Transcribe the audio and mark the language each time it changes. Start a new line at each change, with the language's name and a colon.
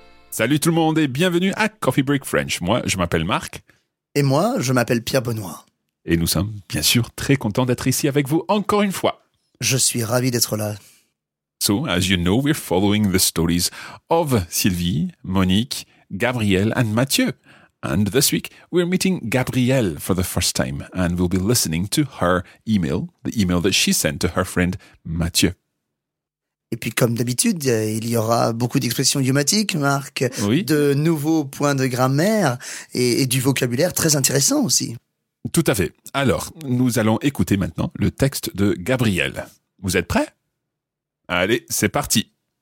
French: Salut tout le monde et bienvenue à Coffee Break French. Moi, je m'appelle Marc. Et moi, je m'appelle Pierre Benoît. Et nous sommes, bien sûr, très contents d'être ici avec vous encore une fois. Je suis ravi d'être là.
English: So, as you know, we're following the stories of Sylvie, Monique, Gabriel and Mathieu. And this week, we're meeting Gabrielle for the first time and we'll be listening to her email, the email that she sent to her friend Mathieu.
French: Et puis, comme d'habitude, il y aura beaucoup d'expressions idiomatiques, Marc, oui. De nouveaux points de grammaire et du vocabulaire très intéressant aussi. Tout à fait. Alors, nous allons écouter maintenant le texte de Gabriel. Vous êtes prêts? Allez, c'est parti.